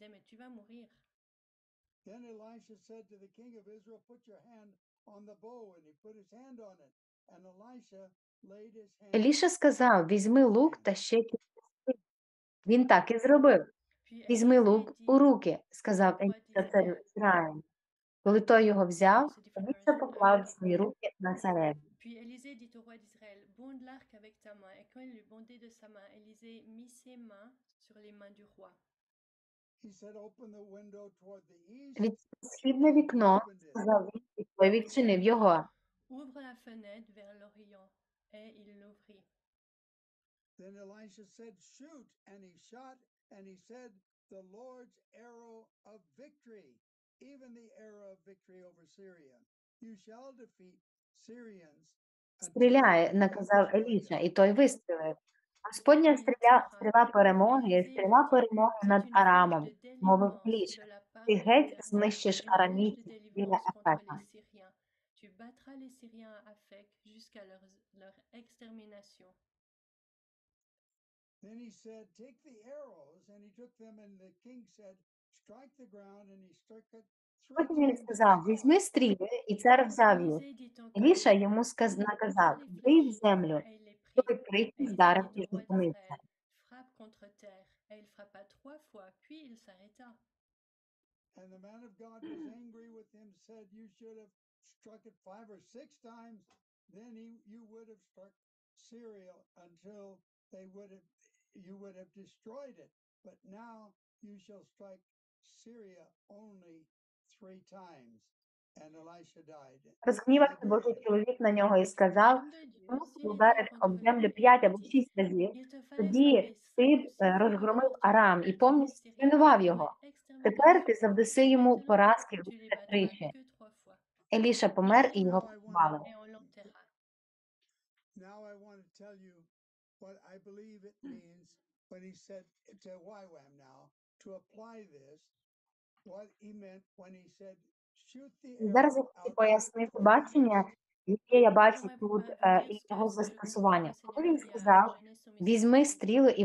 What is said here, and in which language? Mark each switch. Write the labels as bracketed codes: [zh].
[en] Then Elisha said to the king of Israel, "Put your hand on the bow," and he put his hand on it. And Elisha laid his hand. [uk] Еліша сказав: "Візьми лук та щепу." Він так і зробив. "Візьми лук у руки," сказав Еліша царю Ізраїлю. Коли той його взяв, Еліша поклав свої руки на цареві. [fr] Puis Élisée dit au roi d'Israël: "Bonde l'arc avec ta main." Et quand il eut bondé de sa main, Élisée mit ses mains sur les mains du roi. [en] He said, "Open the window toward the east." [uk] Відчини східне вікно, сказав він, і той відчинив його. [fr] Ouvre la fenêtre vers l'Orient, et il l'ouvrit. [en] Then Elisha said, "Shoot," and he shot, and he said, "The Lord's arrow of victory, even the arrow of victory over Syria, you shall defeat Syrians." [uk] Стріляй, наказав Еліша, і той вистрілив. Господня стріла перемоги над Арамом, мовив Еліша. Ти геть знищиш арамійців біля Афека. [fr] Tu battras les Syriens à Afek jusqu'à leur extermination. [en] Then he said, "Take the arrows," and he took them, and the king said, "Strike the ground," and he struck it. [uk] Потім він сказав: "Візьми стріли," і цар взяв їх. Еліша йому наказав: "Бий в землю." Той тричі вдарив і зупинився. [fr] Frappe contre terre, et il frappa trois fois, puis il s'arrêta. [en] And the man of God was angry with him, said, "You should have struck it five or six times, then you would have struck Syria until you would have destroyed it. But now you shall strike Syria only three times." And Elisha died. [uk] Розгнівався Божий чоловік на нього і сказав: "Тому ти ударив об землю п'ять або шість разів, тоді ти розгромив Арам і повністю звинував його. Тепер ти завдаси йому поразки тричі." Еліша помер і його поховали. [en] Now I want to tell you what I believe it means when he said to YWAM now to apply this, what he meant when he said shoot the arrow. [uk] Зараз я хочу пояснити бачення, яке я бачу тут, і його застосування. Коли він сказав: "Візьми стріли і